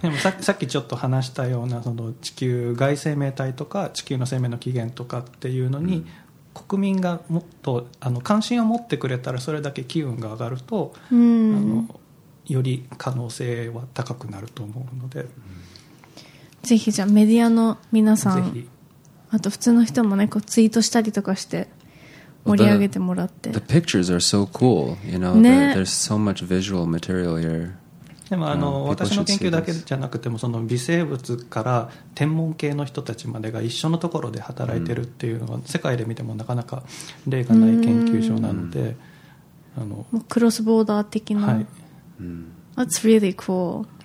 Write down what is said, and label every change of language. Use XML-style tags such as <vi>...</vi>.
<ja>でも さっきちょっと話したような、その地球外生命体とか地球の生命の起源とかっていうのに、国民がもっとあの関心を持ってくれたら、それだけ機運が上がると、あのより可能性は高くなると思うので、ぜひじゃあメディアの皆さん、あと普通の人もね、こうツイートしたりとかして盛り上げてもらって、</ja> <en>the pictures are so cool, you know,、ね、there's so much visual material here.</en> <ja>でもあの私の研究だけじゃなくても、その微生物から天文系の人たちまでが一緒のところで働いてるっていうのは、世界で見てもなかなか例がない研究所なので、あのもうクロスボーダー的な、はい、</ja> <en>That's really cool.</en>